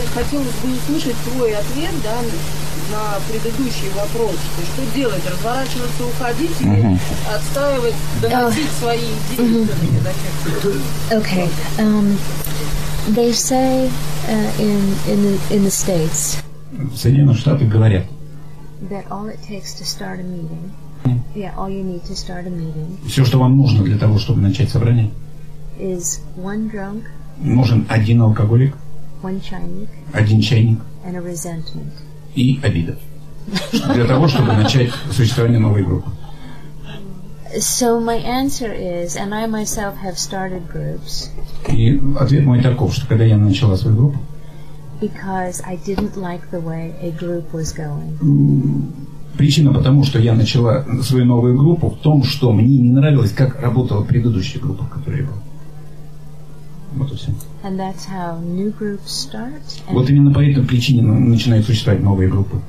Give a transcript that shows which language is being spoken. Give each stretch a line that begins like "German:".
Russian: Хотелось бы услышать твой ответ, да, на предыдущий вопрос. Что делать? Разворачиваться, уходить или отстаивать, доносить свои идеи?
English: Okay. They say in the States.
Russian: В Соединенных Штатах говорят.
English: That all it takes to start a meeting. Yeah, all you need to start a meeting.
Russian: Все, что вам нужно для того, чтобы начать собрание.
English: Is one drunk.
Russian: Нужен один алкоголик.
English: One chinese.
Russian: Один чайник.
English: And a resentment.
Russian: И обида. Для того, чтобы начать существование новой группы.
English: So my answer is, and I myself have started groups.
Russian: И ответ мой таков, что когда я начала свою группу.
English: Because I didn't like the way a group was going.
Russian: Причина потому, что я начала свою новую группу в том, что мне не нравилось, как работала предыдущая группа, которая была. Вот и все.
English: And that's how new groups start, and
Russian: вот именно по этой причине начинают существовать новые группы.